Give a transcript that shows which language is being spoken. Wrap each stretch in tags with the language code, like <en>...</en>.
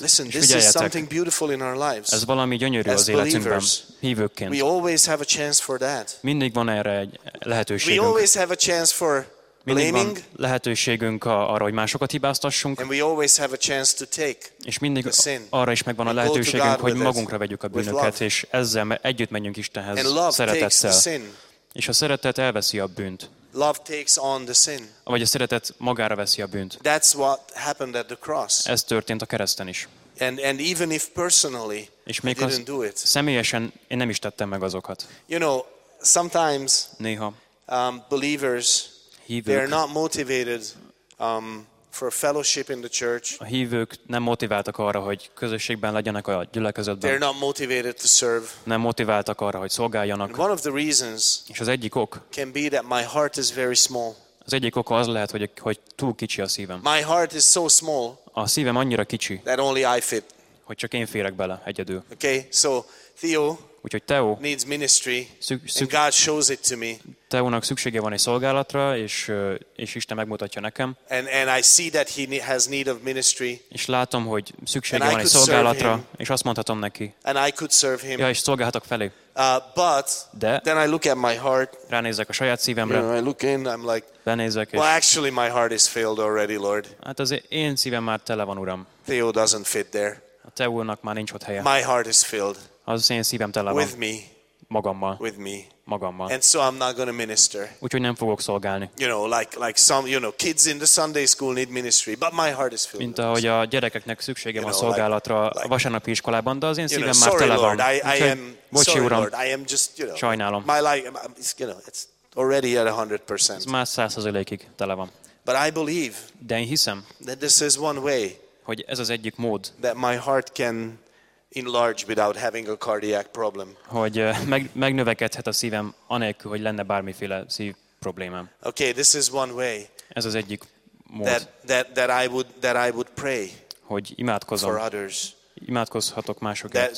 <en>Listen, this is something beautiful in our lives.</en> <hu>Ez valami gyönyörű az életünkben. Hívőként.</hu> <en>We always have a chance for that.</en> <hu>Mindig van erre egy lehetőségünk.</hu> <en>We always have a chance for blaming.</en> <hu>Mindig van lehetőségünk arra, hogy másokat hibáztassunk.</hu> <en>And we always have a chance to take.</en> <hu>És mindig arra is megvan a lehetőségünk, hogy magunkra vegyük a bűnöket, és ezzel együtt menjünk Istenhez szeretettel. És a szeretet elveszi a bűnt.</hu> <en>Love takes on the sin.</en> <hu>Vagy a szeretet magára veszi a bűnt.</hu> <en>That's what happened at the cross.</en> <hu>Ez történt a kereszten is.</hu> <en>And even if personally,</en> <hu>és még</hu> <en>az didn't do it.</en> <hu>Személyesen én nem is tettem meg azokat.</hu> <en>You know, sometimes</en> <hu>néha</hu> <en>believers,</en> <hu>hívők,</hu> <en>they are not motivated for fellowship in the church.</en> <hu>A hívők nem motiváltak arra, hogy közösségben legyenek a gyülekezetben.</hu> <en>They are not motivated to serve.</en> <hu>Nem motiváltak arra, hogy szolgáljanak.</hu> <en>And one of the reasons,</en> <hu>és az egyik ok,</hu> <en>can be that my heart is very small.</en> <hu>Az egyik ok az lehet, hogy túl kicsi a szívem.</hu> <en>My heart is so small.</en> <hu>A szívem annyira kicsi.</hu> <en>That only I fit.</en> <hu>Hogy csak én férek bele egyedül.</hu> <en>Okay, so Theo.</en> <hu>Úgyhogy Teo</hu> <en>needs ministry, and God shows it to me.</en> <hu>Teónak szüksége van egy szolgálatra, és Isten megmutatja nekem.</hu> <en>And I see that he has need of ministry.</en> <hu>És látom, hogy szüksége van egy szolgálatra, és azt mondhatom neki.</hu> <en>And I could serve him.</en> <hu>Ja, és szolgálhatok felé.</hu> <en>But</en> <hu>de</hu> <en>then I look at my heart.</en> <hu>Ránézek a saját szívemre.</hu> <en>You know, I look in, I'm like,</en> <hu>benézek,</hu> <en>well, actually my heart is filled already, Lord.</en> <hu>Hát az én szívem már tele van, Uram.</hu> <en>Theo doesn't fit there.</en> <hu>A Teónak már nincs ott helye.</hu> <en>My heart is filled.</en> <hu>Az én szívem tele van.</hu> <en>With me.</en> <hu>Magammal.</hu> <en>With me.</en> <hu>Magammal.</hu> <en>And so I'm not going to minister.</en> <hu>Úgyhogy nem fogok szolgálni.</hu> <en>You know, like some, you know, kids in the Sunday school need ministry, but my heart is filled.</en> <hu>Mint ahogy a gyerekeknek szüksége van szolgálatra a vasárnapi iskolában, de az én szívem már tele van. Bocsi, Uram.</hu> <en>I am just, you know.</en> <hu>Sajnálom.</hu> <en>My life, it's, you know, it's already at 100%.</en> <hu>Ez már 100%-ig tele van.</hu> <en>But I believe.</en> <hu>De én hiszem.</hu> <en>That this is one way.</en> <hu>Hogy ez az egyik mód.</hu> <en>That my heart can enlarge without having a cardiac problem.</en> <hu>Hogy megnövekedhet a szívem anélkül, hogy lenne bármiféle szív problémám.</hu> <en>Okay, this is one way.</en> <hu>Ez az egyik mód.</hu> <en>That I would pray.</en> <hu>Hogy imádkozom.</hu> <en>For others.</en> <hu>Imádkozhatok másokért.</hu>